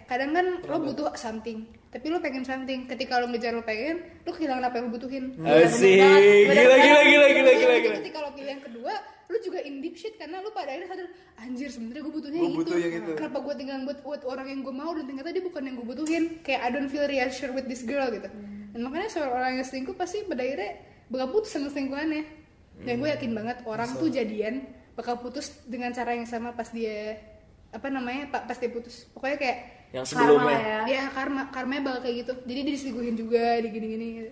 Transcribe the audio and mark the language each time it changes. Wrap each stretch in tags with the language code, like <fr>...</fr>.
<id>Kadang kan lo butuh something. Tapi lu pengen something, ketika lu ngejar lu pengen, lu kehilangan apa yang lu butuhin. Asik, gila. Ketika lu pilih yang kedua, lu juga</id> <en>in deep shit.</en> <id>Karena lu pada akhirnya sadar, anjir sebenarnya gua butuhnya gua itu. Gitu. Kenapa gua tinggal buat orang yang gua mau, dan ternyata dia bukan yang gua butuhin. Kayak</id> <en>I don't feel reassured with this girl</en> <id>gitu. Dan makanya seorang orang yang selingkuh pasti pada akhirnya bakal putus sama selingkuhannya. Dan gua yakin banget orang tuh jadian bakal putus dengan cara yang sama pas dia, apa namanya, pas dia putus. Pokoknya kayak yang sebelumnya karma ya. Ya karmanya bakal kayak gitu. Jadi dia diselingkuhin juga di gini-gini.</id>